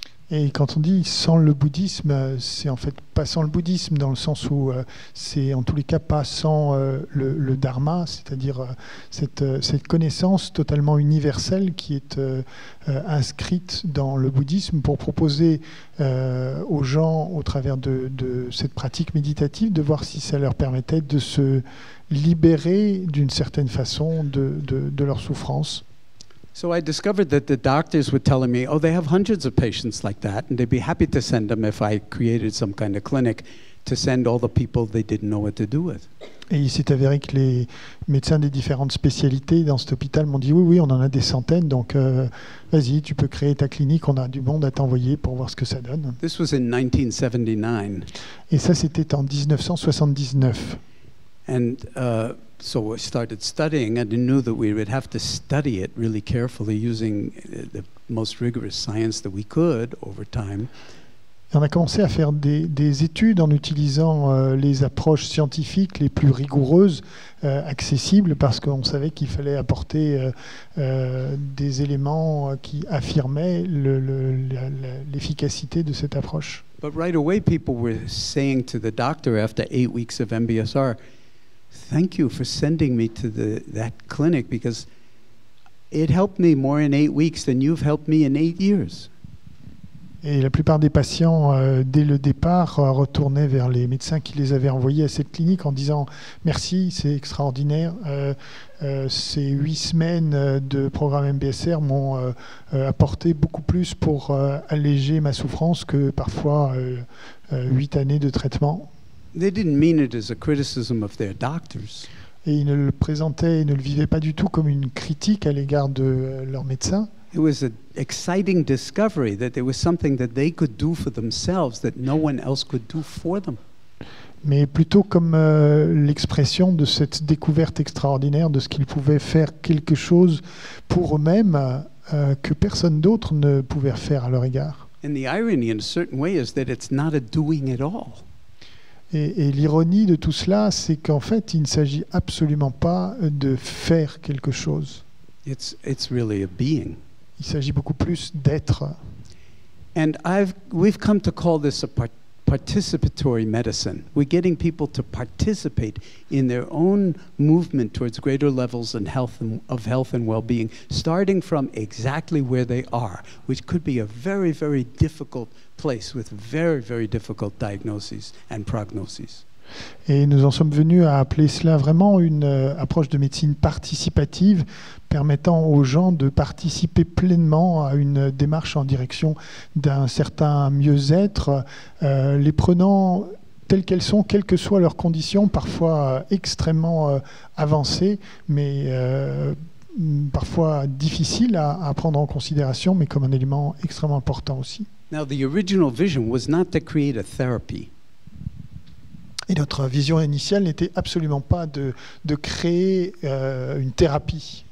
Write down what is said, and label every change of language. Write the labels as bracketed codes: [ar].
[fr] Et quand on dit sans le bouddhisme, c'est en fait pas sans le bouddhisme, dans le sens où c'est en tous les cas pas sans le dharma, c'est-à-dire cette connaissance totalement universelle qui est inscrite dans le bouddhisme pour proposer aux gens, au travers de cette pratique méditative, de voir si ça leur permettait de se libérer d'une certaine façon de leur souffrance. [en] So I discovered that the doctors were telling me, oh, they have hundreds of patients like that, and they'd be happy to send them if I created some kind of clinic to send all the people they didn't know what to do with. [fr] Et il s'est avéré que les médecins des différentes spécialités dans cet hôpital m'ont dit, oui, on en a des centaines, donc vas-y, tu peux créer ta clinique, on a du monde à t'envoyer pour voir ce que ça donne. [en] This was in 1979. [fr] Et ça, c'était en 1979. [en] And so I started studying, and I knew that we would have to study it really carefully using the most rigorous science that we could over time. [fr] Et on a commencé à faire des études en utilisant les approches scientifiques les plus rigoureuses accessibles, parce qu'on savait qu'il fallait apporter des éléments qui affirmaient l'efficacité de cette approche. [en] But right away, people were saying to the doctor after 8 weeks of MBSR, thank you for sending me to that clinic because it helped me more in 8 weeks than you've helped me in 8 years. [fr] Et la plupart des patients, dès le départ, retournaient vers les médecins qui les avaient envoyés à cette clinique en disant merci, c'est extraordinaire. Ces 8 semaines de programme MBSR m'ont apporté beaucoup plus pour alléger ma souffrance que parfois 8 années de traitement. [en] They didn't mean it as a criticism of their doctors. [fr] Et ils ne le présentaient et ne le vivaient pas du tout comme une critique à l'égard de leurs médecins. [en] It was an exciting discovery that there was something that they could do for themselves that no one else could do for them. [fr] Mais plutôt comme l'expression de cette découverte extraordinaire de ce qu'ils pouvaient faire quelque chose pour eux-mêmes que personne d'autre ne pouvait faire à leur égard. [en] And the irony in a certain way is that it's not a doing at all. [fr] Et l'ironie de tout cela, c'est qu'en fait, il ne s'agit absolument pas de faire quelque chose. [en] It's really a being. [fr] Il s'agit beaucoup plus d'être. [en] And we've come to call this a participatory medicine. We're getting people to participate in their own movement towards greater levels of health and well-being, starting from exactly where they are, which could be a very, very difficult place with very, very difficult diagnoses and prognoses. [fr] Et nous en sommes venus à appeler cela vraiment une approche de médecine participative, permettant aux gens de participer pleinement à une démarche en direction d'un certain mieux-être, les prenant telles qu'elles sont, quelles que soient leurs conditions, parfois extrêmement avancées, mais parfois difficiles à prendre en considération, mais comme un élément extrêmement important aussi. [en] Now, the original vision was not to create a therapy. [fr] Et notre vision initiale n'était absolument pas de créer une thérapie.